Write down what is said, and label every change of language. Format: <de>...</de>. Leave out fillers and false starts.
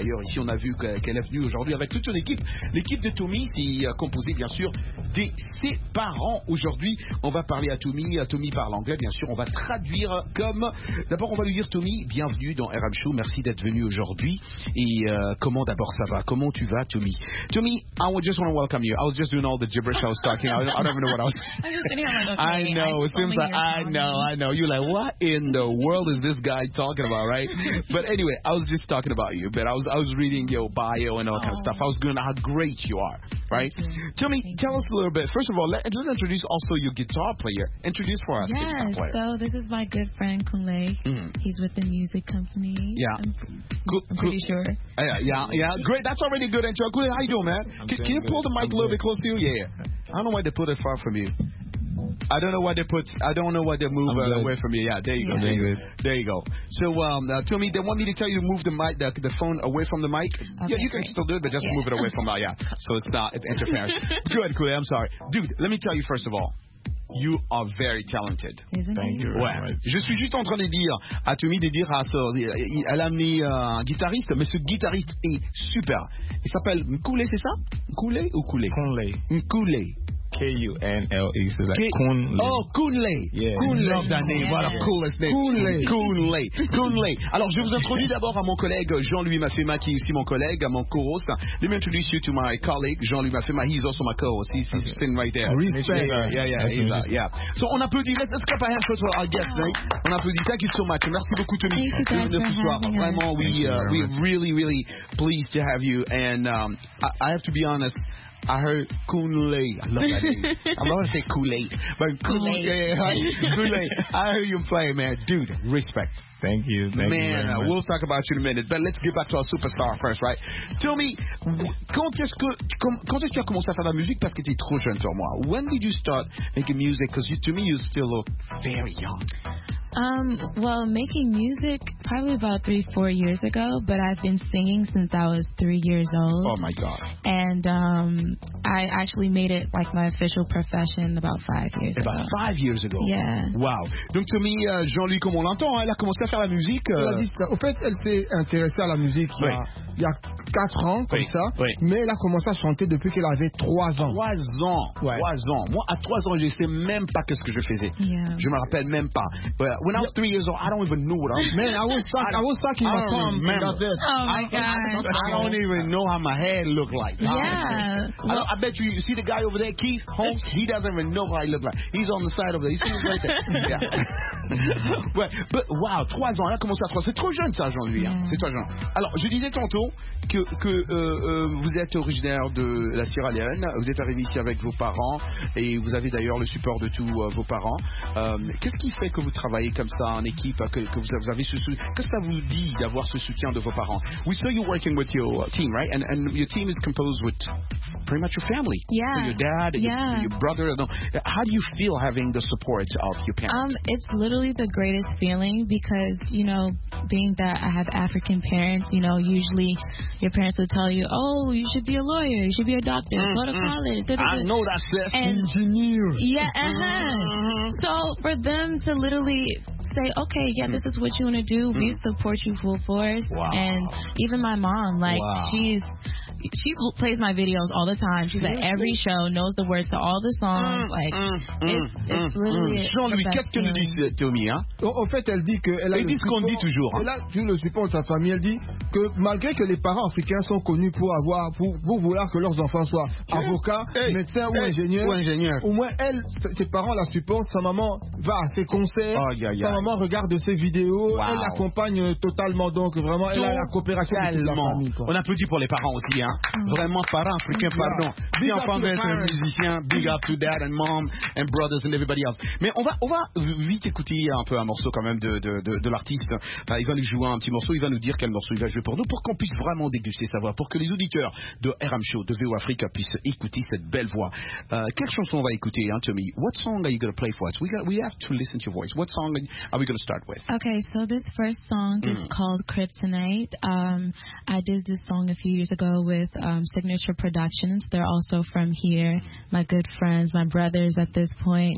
<fr>D'ailleurs ici on a vu qu'elle est venue aujourd'hui avec toute son équipe. L'équipe de Tommy c'est composée bien sûr de ses parents. Aujourd'hui on va parler à Tommy, parle anglais bien sûr, on va traduire. Comme d'abord on va lui dire: Tommy, bienvenue dans RM Show, merci d'être venu aujourd'hui. Et comment d'abord ça va, comment tu vas Tommy?</fr> <en>Tommy, I just want to welcome you. I was just doing all the gibberish I was talking. I don't even know what I was. I know. It seems like I know. You're like, what in the world is this guy talking about, right? But anyway, I was just talking about you. But I was reading your bio and all kind of stuff. I was going to know how great you are, right? Tommy, tell us a little bit. First of all, let's introduce also your guitar player. Introduce for us. Yes. So this is my good friend Kunle. He's with the music company. Yeah. I'm pretty sure. Yeah. Great. That's already a good intro. Kunle, how you doing, man? Can you pull the mic a little bit close to you? Yeah. I don't know why they put it far from you. I don't know why they move away from you. Yeah, there you go. Yeah. There you go. So, Tommy, they want me to tell you to move the mic, the phone away from the mic. Okay, yeah, you can still do it, but just move it away from that. Yeah, so it's interference. Good, cool. I'm sorry. Dude, let me tell you first of all. You are very talented. Thank you.</en> <fr>Ouais. Je suis juste en train de dire à Tommy de dire à ça. Elle a amené un guitariste, mais ce guitariste est super. Il s'appelle Nkule, c'est ça? Nkule ou Kule?</fr> <en>Kunle. Nkule. K-U-N-L-E, so it's like Kunle. Oh, Kunle. Yeah. Kunle. Love that name. What a coolest name. Kunle.</en> <fr>Alors, je vous introduis d'abord à mon collègue Jean-Louis Mafema, qui est aussi mon collègue, à mon co-host.</fr> <en>Let me introduce you to my colleague Jean-Louis Mafema. He's also my co-host. He's sitting right there. Yeah.</en> <fr>So, on applaudit.</fr> <en>Let's clap our hands for our guest, right?</en> <fr>On applaudit.</fr> <en>Thank you so much.</en> <fr>Merci beaucoup, Tommy. Vraiment,</fr> <en>we're really, really pleased to have you. And I have to be honest. I heard Kunle. I love that name. I'm not gonna say Kool-Aid, but Kool-Aid. I heard you play, man. Dude, respect. Thank you, man. We'll talk about you in a minute, but let's get back to our superstar first, right? Tell me,</en> <fr>quand est-ce que tu as commencé à faire de la musique parce que tu es trop jeune pour moi?</fr> <en>When did you start making music? Because to me, you still look very young. Well, making music probably about 3-4 years ago, but I've been singing since I was 3 years old. Oh my God. And I actually made it like my official profession about five years ago. Yeah. Wow.</en> <fr>Donc tu me Jean-Louis, comme on l'entend, elle a commencé à faire la musique. Au fait, elle s'est intéressée à la musique il y a 4 ans, comme oui, ça. Oui. Mais elle a commencé à chanter depuis qu'elle avait 3 ans. 3 ans. Ouais. 3 ans. Moi, à 3 ans, je ne sais même pas ce que je faisais.</fr> <en>Yeah.</en> <fr>Je ne me rappelle même pas.</fr> <en>But when I was 3 years old, I don't even know what I was. Man, I was stuck in my tongue. That's it. Oh, my God. I don't even know how my hair looked like. Yeah. Well, I bet you, you see the guy over there, Keith Holmes? He doesn't even know how I look like. He's on the side over there. You see him right there?</en> <fr>Yeah. Ouais,</fr> <en>but wow,</en> <fr>3 ans, elle a commencé à 3 ans. C'est trop jeune ça, Jean-Louis. Hein. C'est trop jeune. Alors, je disais tantôt que vous êtes originaire de la Sierra Leone. Vous êtes arrivé ici avec vos parents et vous avez d'ailleurs le support de tous vos parents. Qu'est-ce qui fait que vous travaillez comme ça en équipe, que vous avez ce soutien? Qu'est-ce que ça vous dit d'avoir ce soutien de vos parents?</fr> <en>We saw you working with your team, right? And your team is composed with pretty much your family. Yeah. Your dad, yeah. Your brother. How do you feel having the support of your parents? It's literally the greatest feeling because, you know, being that I have African parents, you know, usually your parents will tell you, oh, you should be a lawyer, you should be a doctor, go to college. Da-da-da. I know that, Seth. Engineer. Yeah, So for them to literally say, okay, yeah, this is what you want to do, we support you full force. Wow. And even my mom, like, she plays my videos all the time. She's at every show, knows the words to all the songs.</en> <fr>Jean-Louis, qu'est-ce que nous dit Tommy, hein? Au fait, elle dit que elle a. Ils disent qu'on dit toujours. Elle a vu le support de sa famille. Elle dit que malgré que les parents africains sont connus pour avoir, pour vouloir que leurs enfants soient avocats, médecins ou ingénieurs. Au moins, elle, ses parents la supportent. Sa maman va à ses concerts. Sa maman regarde ses vidéos. Wow. Elle l'accompagne totalement. Donc vraiment, elle a la coopération de sa famille. On applaudit pour les parents aussi. Hein. Vraiment parents africains, pardon.</fr> <en>Big up to the parents. Big up to dad and mom and brothers and everybody else.</en> <fr>Mais on va vite écouter un peu un morceau quand même de l'artiste. Il va nous jouer un petit morceau. Il va nous dire quel morceau il va jouer pour nous, pour qu'on puisse vraiment déguster sa voix, pour que les auditeurs de RM Show, de VO Africa, puissent écouter cette belle voix. Quelle chanson on va écouter, hein, Tommy?</fr> <en>What song are you going to play for us? We have to listen to your voice. What song are we going to start with? Okay, so this first song is called Kryptonite. I did this song a few years ago with Signature Productions. They're also from here, my good friends, my brothers at this point.</en>